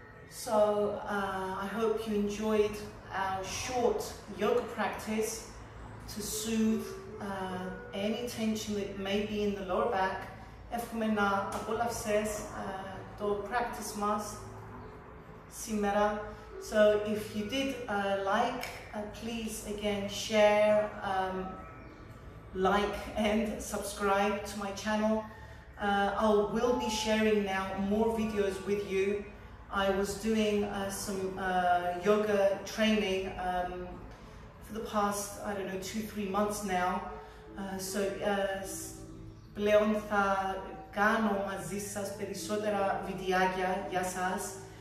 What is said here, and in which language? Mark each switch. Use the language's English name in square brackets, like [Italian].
[English] So I hope you enjoyed our short yoga practice to soothe any tension that may be in the lower back. [Greek] Εύχομαι να απολαύσεις το practice μας σήμερα. [English] So if you did like, please again share, like and subscribe to my channel. I will be sharing now more videos with you. I was doing some yoga training for the past, I don't know, 2-3 months now. [Greek] So πλέον θα κάνω μαζί σας περισσότερα βιντεάκια για σας.